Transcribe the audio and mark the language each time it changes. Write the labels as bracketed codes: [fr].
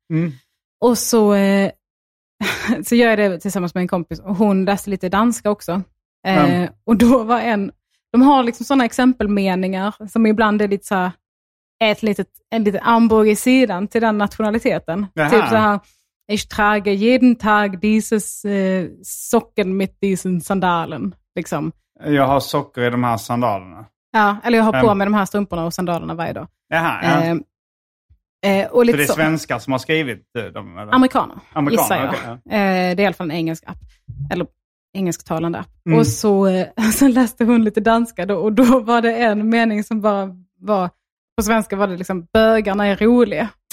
[sv] Mm. Och så gör jag det tillsammans med en kompis och hon läste lite danska också. Och då var en, de har liksom sådana exempelmeningar som ibland är lite så här, en liten armbåg i sidan till den nationaliteten. Jaha. Typ så här, [de] ich trage jeden Tag dieses socken mit diesen sandalen, [sv] liksom. Jag har socker i de här sandalerna. Ja, eller jag har på mig de här strumporna och sandalerna varje dag. Jaha, Och lite så det är svenskar som har skrivit dem? Amerikaner, gissar jag. Okay, ja. Det är i alla fall en engelsk app, eller engelsktalande. Mm. Och så läste hon lite danska då, och då var det en mening som bara var på svenska, var det liksom bögarna är roliga.